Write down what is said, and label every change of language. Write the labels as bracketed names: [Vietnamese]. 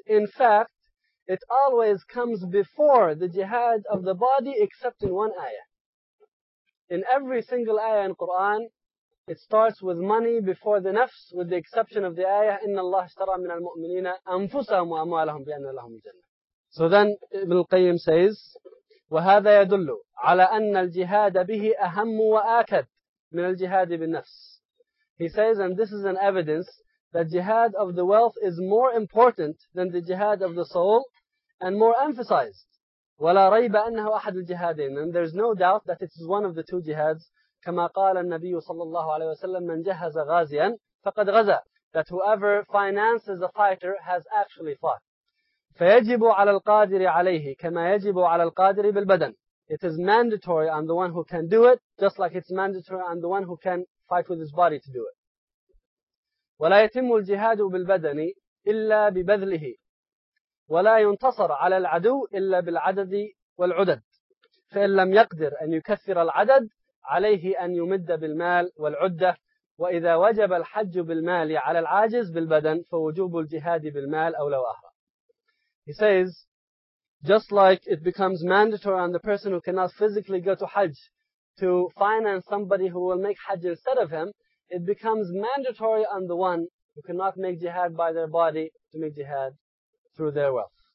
[English] In fact, it always comes before the jihad of the body, except in one ayah. In every single ayah in Quran, it starts with money before the nafs, with the exception of the ayah, [Arabic] إِنَّ اللَّهَ اشْتَرَى مِنَ الْمُؤْمِنِينَ أَنفُسَهُمْ وَأَمْوَالَهُمْ بِأَنَّ لَهُمْ جَنَّةً. [English] So then, Ibn al-Qayyim says, [Arabic] وَهَذَا يَدُلُّ عَلَىٰ أَنَّ الْجِهَادَ بِهِ أَهَمُّ وَآكَدْ مِنَ الْجِهَادِ بِالنَّفْسِ. [English] He says, and this is an evidence, that jihad of the wealth is more important than the jihad of the soul, and more emphasized. [Arabic] وَلَا رَيْبَ أَنَّهُ أَحَدُ الْجِهَادِينَ. [English] And there's no doubt that it is one of the two jihads. [Arabic] كَمَا قَالَ النَّبِيُّ صَلَّى اللَّهُ عَلَيْهِ وَسَلَّمَ مَنْ جَهَزَ غَازِيًا فَقَدْ غَزَى. [English] That whoever finances a fighter has actually fought. [Arabic] فَيَجِبُ عَلَى الْقَادِرِ عَلَيْهِ كَمَا يَجِبُ عَلَى الْقَادِرِ بِالْبَدَنِ. [English] It is mandatory on the one who can do it, just like it's mandatory on the one who can fight with his body to do it. [Arabic] وَلَا يَتِمُّ الْجِهَادُ بِالْبَدَنِ إِلَّا بِبَذْلِهِ وَلَا يُنْتَصَرْ عَلَى الْعَدُوِ إِلَّا بِالْعَدَدِ وَالْعُدَدِ فَإِنْ لَمْ يَقْدِرْ أَنْ يُكَثِّرَ الْعَدَدِ عليه أن يمد بالمال والعدة وإذا وجب الحج بالمال على العاجز بالبدن فوجوب الجهاد بالمال أو لو أهرى. [English] He says, just like it becomes mandatory on the person who cannot physically go to Hajj to finance somebody who will make Hajj instead of him, it becomes mandatory on the one who cannot make jihad by their body to make jihad through their wealth.